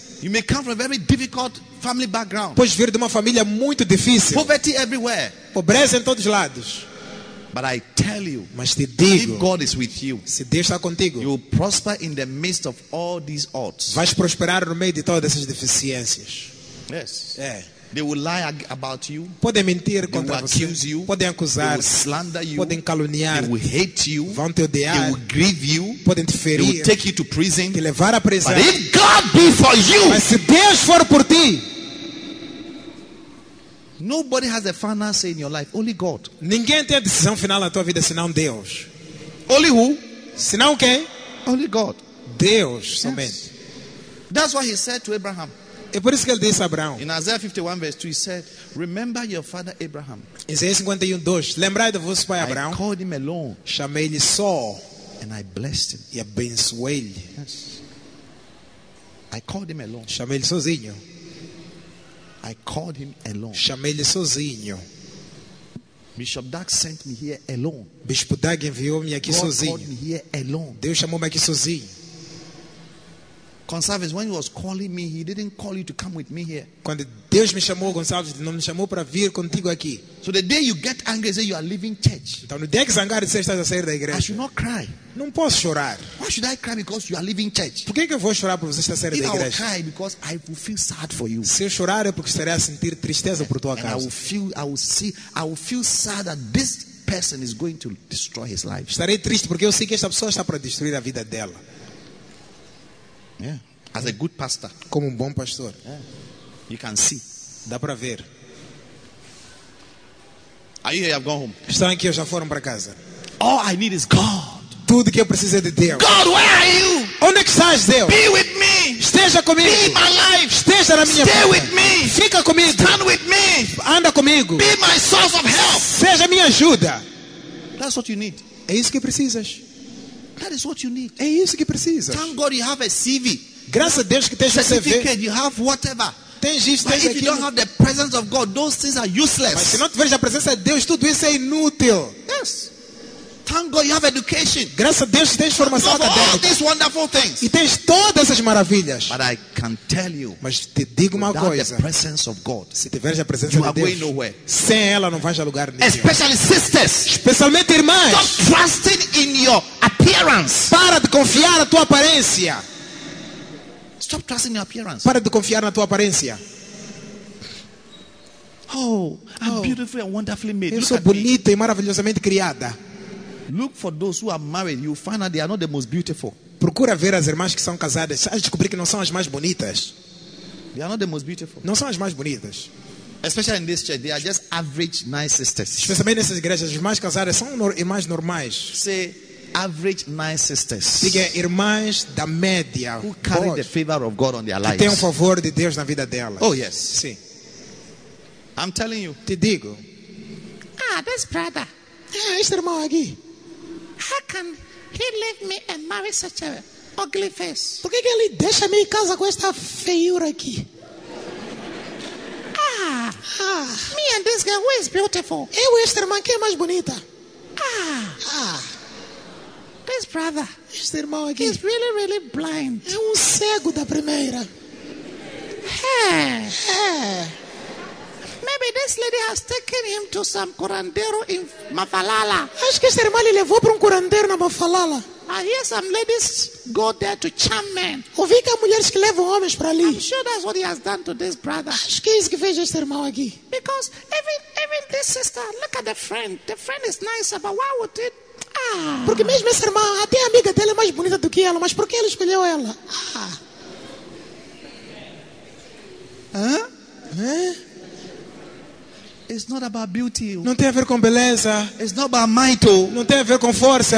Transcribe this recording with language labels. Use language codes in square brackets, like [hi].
[en] You may come from a very difficult family background. [pt] Pode vir de uma família muito difícil. [en] Poverty everywhere. [pt] Pobreza em todos os lados. [en] But I tell you, [pt] mas te digo, [en] if God is with you, [pt] se Deus está contigo, [en] you will prosper in the midst of all these odds. [pt] Vais prosperar no meio de todas essas deficiências. [en] Yes. [pt] É. [en] They will lie about you. [pt] Podem mentir contra [en] they will accuse [pt] você. [en] You. [pt] Podem acusar. [en] They will slander you. [pt] Podem caluniar. [en] They will hate you. [pt] Vão te odiar. [en] They will grieve you. [pt] Podem te ferir. [en] They will take you to prison. [pt] Te levar à prisão. [en] But if God be for you, [pt] mas se Deus for por ti, [en] nobody has a final say in your life. Only God. [pt] Ninguém tem a decisão final na tua vida senão Deus. [en] Only who? [pt] Senão quem? [en] Only God. [pt] Deus somente. [en] Yes. That's what he said to Abraham. [pt] É por isso que ele disse a Abraão. [en] In Isaiah 51 verse 2 he said, remember your father Abraham. [pt] Isaías 51:2, lembrai do vosso pai Abraão. [en] I called him alone. [pt] Chamei-lhe só. [en] And I blessed him. [pt] E abençoei-lhe. [en] Yes. I called him alone. [pt] Chamei-lhe sozinho. [en] I called him alone. [pt] Chamei-lhe sozinho. [en] Bishop Doug sent me here alone. [pt] Bispo Doug enviou-me aqui [en] God [pt] sozinho. [en] Called me here alone. [pt] Deus chamou-me aqui sozinho. [en] Gonçalves, when he was calling me, he didn't call you to come with me here. [pt] Quando Deus me chamou, Gonçalves, não me chamou para vir contigo aqui. [en] So the day you get angry, say you are leaving church. [pt] Então no dia que zangar, você está a sair da igreja. [en] I should not cry. [pt] Não posso chorar. [en] Why should I cry because you are leaving church? [pt] Por que eu vou chorar porque você está a sair [en] If [pt] da igreja? [en] I will cry because I will feel sad for you. [pt] Se eu chorar é porque estarei a sentir tristeza por tua [en] and [pt] casa. [en] And I will feel sad that this person is going to destroy his life. [pt] Estarei triste porque eu sei que esta pessoa está para destruir a vida dela. [en] Yeah. As a good pastor. [pt] Como bom pastor. [en] Yeah. You can see. [pt] Dá para ver. [en] Are you here? I've gone home. [pt] Estão aqui, já foram para casa. [en] All I need is God. [pt] Tudo que eu preciso é de Deus. [en] God, where are you? [pt] Onde é que estás, Deus? [en] Be with me. [pt] Esteja comigo. [en] Be my life. [pt] Esteja na minha [en] Stay [pt] vida. [en] Stay with me. [pt] Fica comigo. [en] Stand with me. [pt] Anda comigo. [en] Be my source of help. [pt] Seja minha ajuda. [en] That's what you need. [pt] É isso que precisas. [en] That is what you need. [pt] É isso que precisa. [en] Thank God you have a CV. [pt] Graças a Deus que tens [en] certificate, [pt] um CV. [en] You have whatever. [pt] Tens isso, [en] But [pt] tens [en] if [pt] aquilo. [en] You don't have the presence of God, those things are useless. [pt] Mas se não tiveres a presença de Deus, tudo isso é inútil. [en] Yes. Thank God you have education. [pt] Graças a Deus tens formação acadêmica. [en] All these wonderful things. [pt] E tens todas essas maravilhas. [en] But I can tell you, [pt] mas te digo uma coisa. [en] The presence of God, [pt] se tiveres a presença [en] you [pt] de Deus, [en] going nowhere. [pt] Sem ela não vais a lugar nenhum. [en] Especially sisters. [pt] Especialmente irmãs. [en] Stop trusting in your appearance. [pt] Para de confiar na tua aparência. [en] Stop trusting your appearance. [pt] Para de confiar na tua aparência. [en] Oh, I'm beautifully and wonderfully made. [pt] Eu sou bonita e maravilhosamente criada. [en] Look for those who are married. You find that they are not the most beautiful. [pt] Procura ver as irmãs que são casadas. Você vai descobrir que não são as mais bonitas. [en] They are not the most beautiful. [pt] Não são as mais bonitas. [en] Especially in this church, they are just average nice sisters. [pt] Especialmente nessas igrejas, as irmãs casadas são irmãs normais. [en] Say, average nice sisters. [pt] Diga, irmãs da média. [en] Who carry the favor of God on their lives. [pt] Que têm o favor de Deus na vida delas. [en] Oh yes. [pt] Sim. [en] I'm telling you. [pt] Te digo. [en] Ah, this brother. [pt] Ah, este irmão aqui. [en] How can he leave me and marry such a ugly face? [pt] Por que ele deixa me em casa com esta feiura aqui? [en] Ah, me and this girl, who is beautiful? [pt] Eu e esta irmã, quem é mais bonita? [en] This brother, [pt] este irmão aqui, [en] he's really, really blind. [pt] É cego da primeira. [en] Maybe this lady has taken him to some curandero in Mafalala. [pt] Acho que esta irmã lhe levou para curandero na Mafalala. [en] I hear some ladies go there to charm men. [pt] Ouvi que há mulheres que levam homens para ali. [en] I'm sure that's what he has done to this brother. [pt] Acho que é isso que fez este irmão aqui. [en] Because even this sister, look at the friend. The friend is nicer, but why would it? [pt] Porque mesmo essa irmã, até a amiga dela é mais bonita do que ela, mas por que ele escolheu ela? [en] It's not about beauty. [pt] Não tem a ver com beleza. [en] It's not about might. [pt] Não tem a ver com força.